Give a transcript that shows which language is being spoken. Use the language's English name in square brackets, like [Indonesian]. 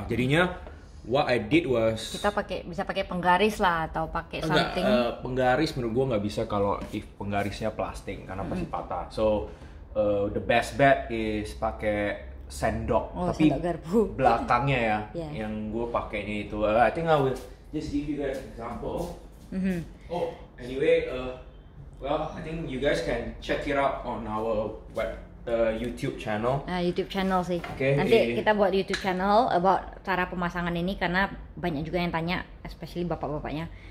[Indonesian] Jadinya [English] what I did was [Indonesian] kita pakai bisa pakai penggaris lah atau pakai something. Penggaris menurut gua nggak bisa kalau if penggarisnya plastik karena pasti patah. [English] So the best bet is [Indonesian] pakai sendok. Oh, tapi sendok garpu. Belakangnya ya yang gua pakainya itu. [English] I think I will just give you guys example. Oh, anyway, well, I think you guys can check it out on our web. YouTube channel. YouTube channel sih. Okay, [Indonesian] nanti kita buat YouTube channel about cara pemasangan ini karena banyak juga yang tanya, especially bapak-bapaknya.